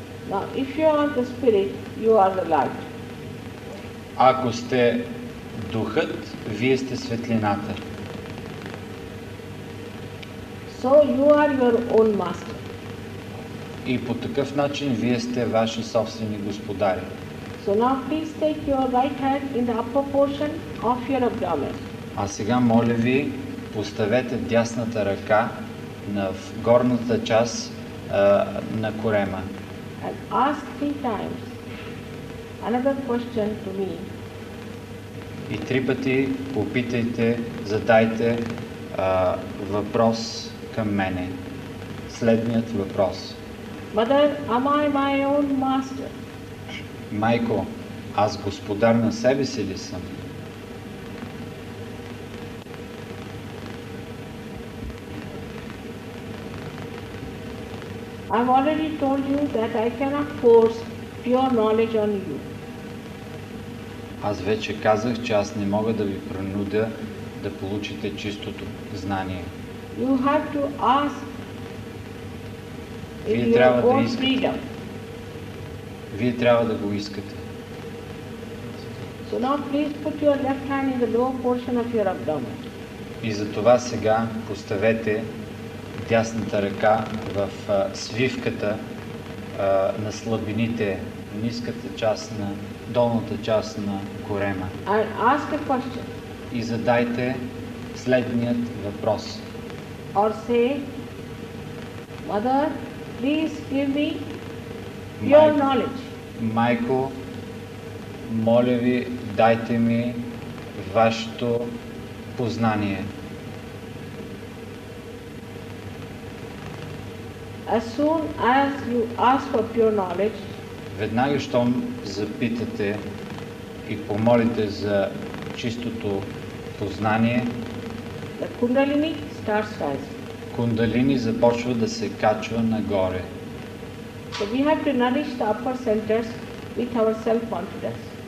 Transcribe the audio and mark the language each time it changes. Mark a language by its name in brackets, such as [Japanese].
[English] Now, if you are the spirit, you are the light. [Bulgarian] Ако сте духът, вие сте светлината. [English] So you are your own master. [Bulgarian] И по такъв начин вие сте ваши собствени господари. [English] So now please take your right hand in the upper portion of your abdomen. [Bulgarian] А сега моля ви, поставете дясната ръка на горната част на корема. [English] And ask three times another question to me. [Bulgarian] И три пъти попитайте, задайте въпрос към мене. Следният въпрос. [English] Mother, am I my own master? [Bulgarian] Майко, аз господар на себе си ли съм? [English] I've already told you that I cannot force pure knowledge on you. [Bulgarian] Аз вече казах, че аз не мога да ви принудя да получите чистото знание. [English] You have to ask. [Bulgarian] Вие трябва да искате. Вие трябва да го искате. [English] So now please put your left hand in the lower portion of your abdomen. [Bulgarian] И затова сега поставете дясната ръка в свивката на слабините, ниската част на долната част на корема. [English] And ask a question. [Bulgarian] И задайте следният въпрос. [English] Or say, Mother, please give me your knowledge. [Bulgarian] Майко, моля ви, дайте ми вашето познание. [English] As soon as you ask for pure knowledge, [Bulgarian] веднага щом запитате и помолите за чистото познание, [English] the kundalini starts rising. [Bulgarian] Кундалини започва да се качва нагоре. [English] So we have to nourish the upper centers with our self-confidence.